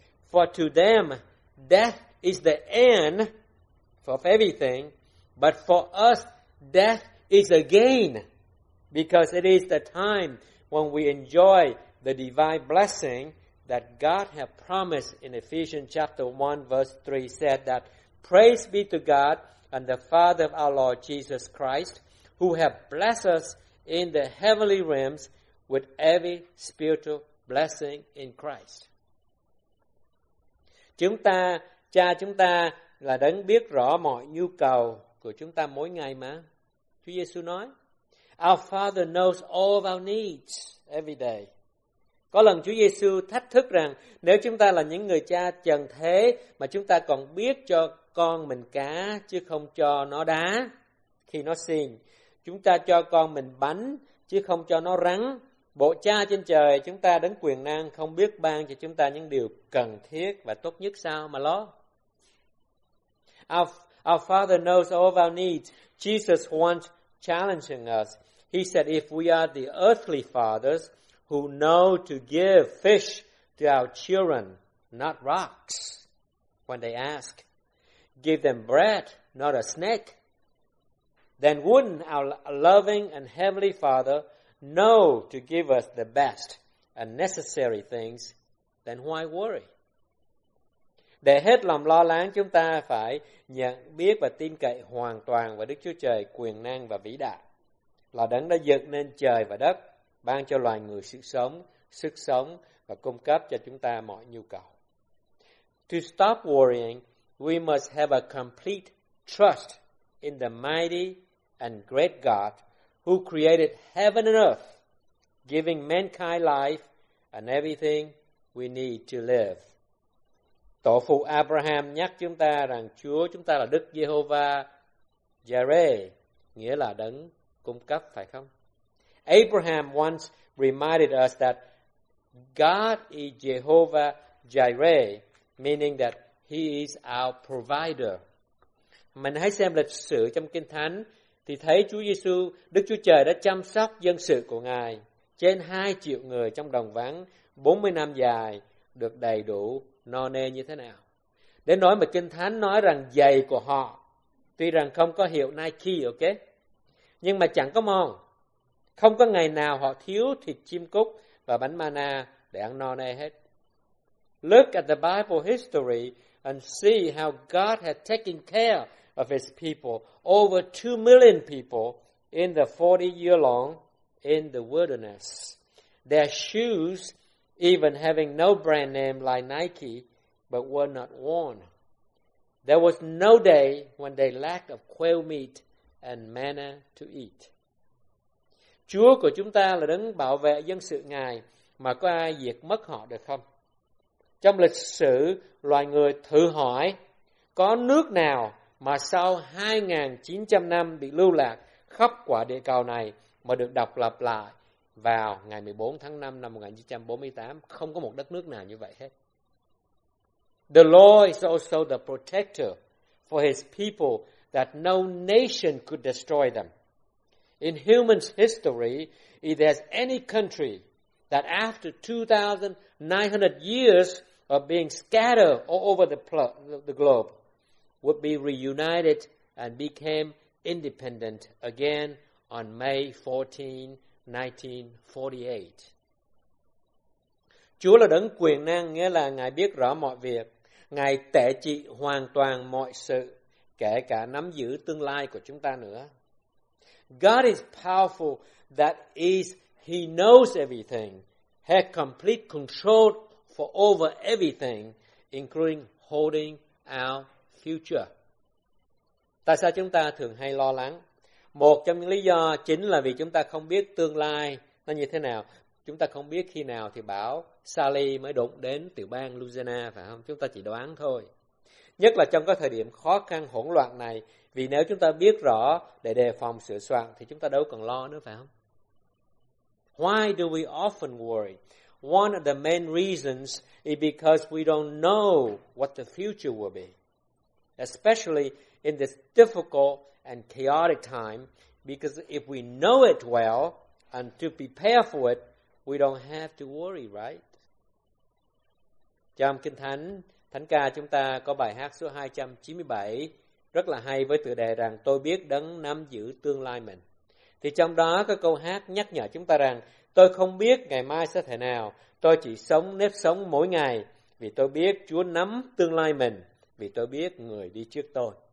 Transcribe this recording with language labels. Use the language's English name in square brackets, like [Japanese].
[English] For to them, death is the end of everything, but for us, death is a gain, because it is the time when we enjoy the divine blessing that God has promised in Ephesians chapter 1, verse 3, said that, praise be to God and the Father of our Lord Jesus Christ, who have blessed us in the heavenly realms with every spiritual blessing in Christ. [Vietnamese] Chúng ta, Cha chúng ta là đấng biết rõ mọi nhu cầu của chúng ta mỗi ngày mà. Chúa Giêsu nói, [English] our Father knows all of our needs every day. [Vietnamese] Có lần Chúa Giêsu thách thức rằng nếu chúng ta là những người cha trần thế mà chúng ta còn biết cho con mình cá chứ không cho nó đá khi nó xin, chúng ta cho con mình bánh chứ không cho nó rắn, bộ cha trên trời chúng ta đấng quyền năng không biết ban cho chúng ta những điều cần thiết và tốt nhất sao mà lo? [English] Our Father knows all of our needs. Jesus once challenging us. He said, if we are the earthly fathers who know to give fish to our children, not rocks, when they ask, give them bread, not a snake, then wouldn't our loving and heavenly Father know to give us the best and necessary things, then why worry? [Vietnamese] Để hết lòng lo lắng, chúng ta phải nhận biết và tin cậy hoàn toàn vào Đức Chúa Trời quyền năng và vĩ đại, là đấng đã dựng nên trời và đất, ban cho loài người sự sống, sức sống và cung cấp cho chúng ta mọi nhu cầu. [English] To stop worrying, we must have a complete trust in the mighty and great God who created heaven and earth, giving mankind life and everything we need to live. [Vietnamese] Tổ phụ Abraham nhắc chúng ta rằng Chúa chúng ta là Đức Jehovah Jireh, nghĩa là đấng cung cấp, phải không? [English] Abraham once reminded us that God is Jehovah Jireh, meaning that he is our provider. [Vietnamese] Mình hãy xem lịch sử trong Kinh Thánh thì thấy Chúa Giêsu, Đức Chúa Trời đã chăm sóc dân sự của Ngài, trên 2 triệu người trong đồng vắng 40 năm dài được đầy đủ no nê như thế nào. Đến nỗi mà Kinh Thánh nói rằng giày của họ tuy rằng không có hiệu Nike, ok, nhưng mà chẳng có mòn. Không có ngày nào họ thiếu thịt chim cút và bánh mana để ăn no nê hết. [English] Look at the Bible history and see how God had taken care of his people, over 2 million people in the 40 year long in the wilderness. Their shoes, even having no brand name like Nike, but were not worn. There was no day when they lacked of quail meat and manna to eat. [Vietnamese] Chúa của chúng ta là đấng bảo vệ dân sự Ngài, mà có ai diệt mất họ được không? Trong lịch sử, loài người thử hỏi, có nước nào mà sau 2.900 năm bị lưu lạc, khắp quả địa cầu này mà được độc lập lại vào ngày 14 tháng 5 năm 1948, không có một đất nước nào như vậy hết. [English] The Lord is also the protector for his people that no nation could destroy them. In human history, if there's any country that after 2,900 years of being scattered all over the globe would be reunited and became independent again on May 14, 1948. [Vietnamese] Chúa là đấng quyền năng, nghĩa là Ngài biết rõ mọi việc. Ngài tể trị hoàn toàn mọi sự, kể cả nắm giữ tương lai của chúng ta nữa. [English] God is powerful, that is, he knows everything, has complete control for over everything, including holding our future. [Vietnamese] Tại sao chúng ta thường hay lo lắng? Một trong những lý do chính là vì chúng ta không biết tương lai nó như thế nào. Chúng ta không biết khi nào thì bão Sally mới đụng đến tiểu bang Louisiana, phải không? Chúng ta chỉ đoán thôi. Nhất là trong các thời điểm khó khăn, hỗn loạn này, vì nếu chúng ta biết rõ để đề phòng sửa soạn thì chúng ta đâu còn lo nữa, phải không? [English] Why do we often worry? One of the main reasons is because we don't know what the future will be. Especially in this difficult and chaotic time, because if we know it well and to prepare for it, we don't have to worry, right? [Vietnamese] Trong Kinh Thánh, Thánh Ca chúng ta có bài hát số 297 rất là hay với tựa đề rằng tôi biết đấng nắm giữ tương lai mình. Thì trong đó có câu hát nhắc nhở chúng ta rằng tôi không biết ngày mai sẽ thế nào, tôi chỉ sống nếp sống mỗi ngày vì tôi biết Chúa nắm tương lai mình, vì tôi biết người đi trước tôi.